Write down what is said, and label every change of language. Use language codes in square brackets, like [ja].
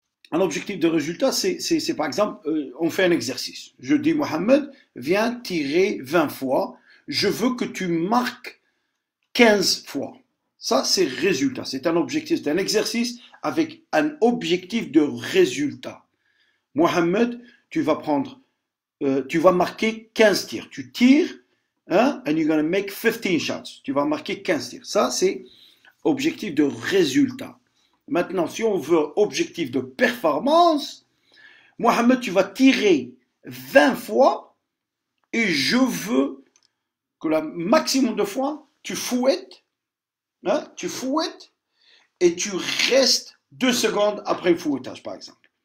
[fr] Un objectif de résultat, c'est par exemple, on fait un exercice. Je dis, Mohamed, viens tirer 20 fois. Je veux que tu marques 15 fois. Ça, c'est résultat. C'est un objectif, c'est un exercice avec un objectif de résultat. Mohamed, tu vas marquer 15 tirs. Tu tires, hein, [en] and you're going to make 15 shots. [fr] Tu vas marquer 15 tirs. Ça, c'est objectif de résultat. Maintenant, si on veut objectif de performance, Mohamed, tu vas tirer 20 fois et je veux que le maximum de fois, tu fouettes, hein, tu fouettes et tu restes 2 secondes après le fouettage, par exemple.